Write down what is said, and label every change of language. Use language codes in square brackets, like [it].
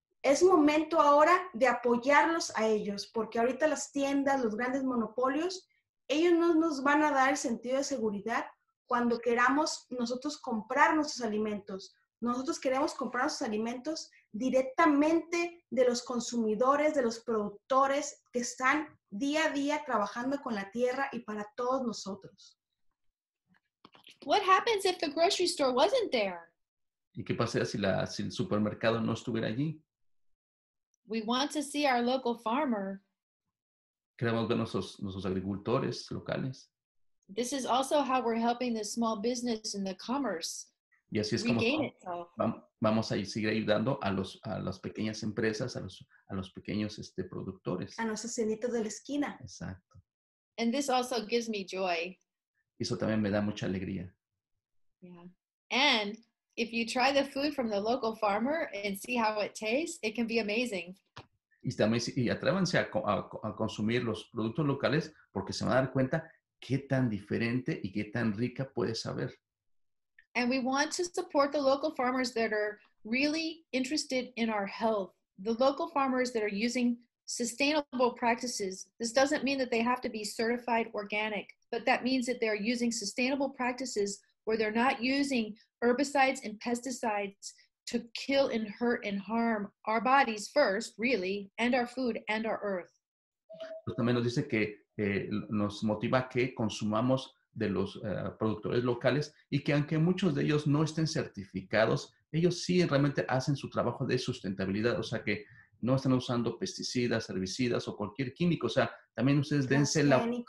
[es] Es momento ahora de apoyarlos a ellos, porque ahorita las tiendas, los grandes monopolios, ellos no nos van a dar el sentido de seguridad cuando queramos nosotros comprar nuestros alimentos. Nosotros queremos comprar nuestros alimentos directamente de los consumidores, de los productores que están día a día trabajando con la tierra y para todos nosotros. [en] What happens if the grocery store wasn't there? [es] ¿Y qué pasaría si el supermercado no estuviera allí? [en] We want to see our local farmer. [es] Queremos ver nuestros agricultores locales. [en] This is also how we're helping the small business and the commerce regain itself. [es] Vamos a seguir ayudando a las pequeñas empresas, a los pequeños productores. A nuestros cienditos de la esquina. Exacto. [en] And this also gives me joy. [es] Eso también me da mucha alegría. [en] Yeah. And if you try the food from the local farmer and see how it tastes, it can be amazing. [es] Y atrévanse a consumir los productos locales porque se van a dar cuenta qué tan diferente y qué tan rica puede saber. [en] And we want to support the local farmers that are really interested in our health. The local farmers that are using sustainable practices. This doesn't mean that they have to be certified organic, but that means that they're using sustainable practices where they're not using herbicides and pesticides to kill and hurt and harm our bodies first, really, and our food and our earth. [es] Pues también nos dice que nos motiva que consumamos de los productores locales y que aunque muchos de ellos no estén certificados, ellos sí realmente hacen su trabajo de sustentabilidad, o sea que no están usando pesticidas, herbicidas o cualquier químico, o sea, también ustedes dense la